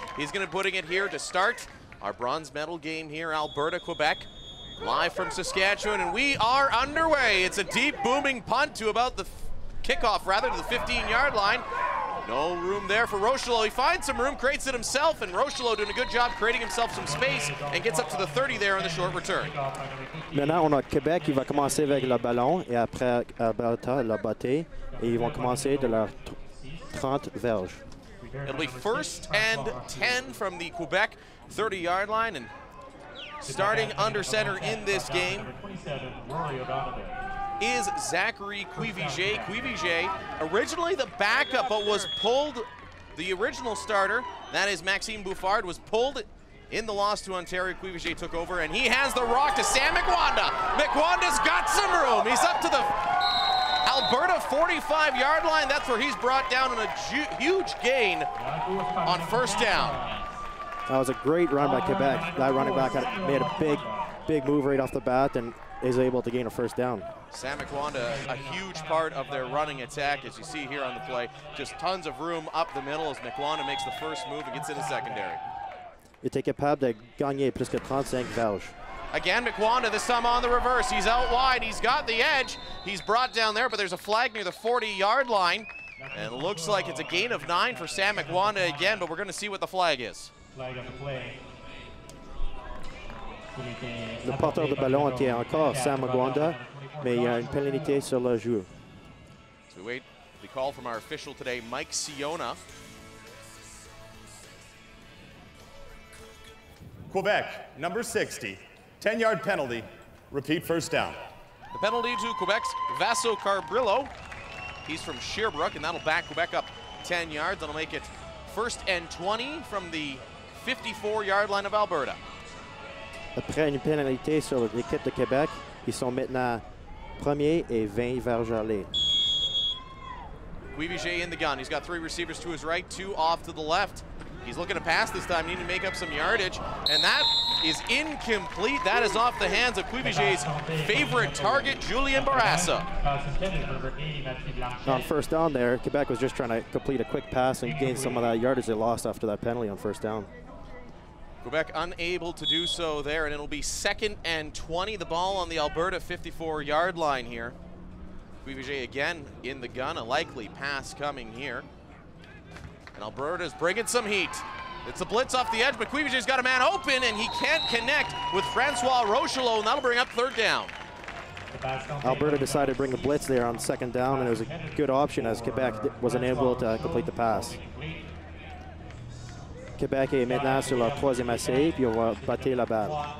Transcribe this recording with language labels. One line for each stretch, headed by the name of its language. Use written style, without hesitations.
English: He's gonna putting it here to start our bronze medal game here, Alberta, Quebec, live from Saskatchewan, and we are underway. It's a deep booming punt to about the kickoff, to the 15-yard line. No room there for Rochelot. He finds some room, creates it himself, and Rochelot doing a good job creating himself some space and gets up to the 30 there on the short return.
French: Maintenant, on a Québec qui va commencer avec le ballon et après Alberta la batté et ils vont commencer de leur 30 verges.
English: It'll be first and 10 from the Quebec 30-yard line, and starting under center in this game is Zachary Cuivigier. Cuivigier, originally the backup, but was pulled, the original starter, that is Maxime Bouffard, was pulled in the loss to Ontario. Cuivigier took over, and he has the rock to Sam McWanda. McWanda's got some room. room. He's up to the Alberta 45-yard line. That's where he's brought down on a huge gain on first down. That was a great run by Quebec. That running back made a big, big move right off the bat and is able to gain a first down. Sam Ekwonda, a huge part of their running attack, as you see here on the play. Just tons of room up the middle as Ekwonda makes the first move and gets into secondary.
French: Il était capable de gagner plus que 35 verges.
English: Again, Ekwonda, this time on the reverse. He's out wide, he's got the edge. He's brought down there, but there's a flag near the 40-yard line. And it looks like it's a gain of 9 for Sam Ekwonda again, but we're gonna see what the flag is. Flag on the play.
French: Le porteur de ballon était encore Sam Ekwonda, mais il y a une pénalité sur le jeu.
English: So we wait the call from our official today, Mike Siona. Quebec, number 60, 10-yard penalty, repeat first down. The penalty to Quebec's Vaso Carbrillo. He's from Sherbrooke, and that'll back Quebec up 10 yards. That'll make it first and 20 from the 54-yard line of Alberta.
French: Après une pénalité sur l'équipe de Québec, ils sont maintenant premier et 20 vers Jarlet.
English: Guibiger in the gun. He's got three receivers to his right, two off to the left. He's looking to pass this time, needing to make up some yardage. And that is incomplete. That is off the hands of Guibiger's favorite target, Julien Bourassa. On first down there, Quebec was just trying to complete a quick pass and gain some of that yardage they lost after that penalty on first down. Quebec unable to do so there, and it'll be second and 20. The ball on the Alberta 54-yard line here. Guibiger again in the gun, a likely pass coming here. And Alberta's bringing some heat. It's a blitz off the edge, but Guibiger's got a man open, and he can't connect with Francois Rochelot, and that'll bring up third down. Alberta decided to bring the blitz there on second down, and it was a good option as Quebec was unable to complete the pass.
French: Quebec est maintenant sur la troisième essai, puis on va battre la balle.